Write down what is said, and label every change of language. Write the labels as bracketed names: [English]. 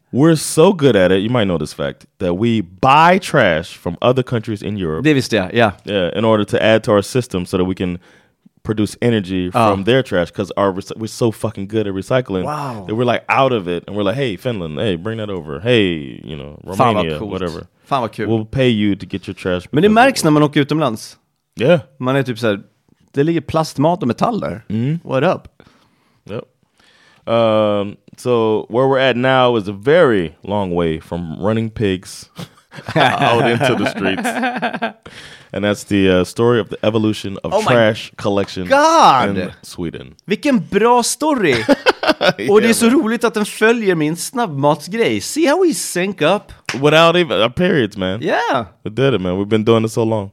[English] We're so good at it, you might know this fact, that we buy trash from other countries in Europe. [Swedish] Det visste jag, yeah. [English] Yeah, in order to add to our system so that we can produce energy from their trash, because we're so fucking good at recycling. Wow. That we're like out of it, and we're like, hey, Finland, hey, bring that over. Hey, you know, Romania, [Swedish] fan vad coolt, [English] whatever. [Swedish] Fan vad kul. [English] We'll pay you to get your trash. [Swedish] Men det märks när man åker utomlands. [English] Yeah. [Swedish] Man är typ såhär, det ligger plastmat och metall där. Mm. [English] What up? Yep. So where we're at now is a very long way from running pigs out into the streets. And that's the story of the evolution of trash collection in Sweden. [Swedish] Vilken bra story! Yeah, och det är så roligt att den följer min snabbmatsgrej. [English] See how we sync up? Without even our periods, man. Yeah. We did it, man. We've been doing it so long.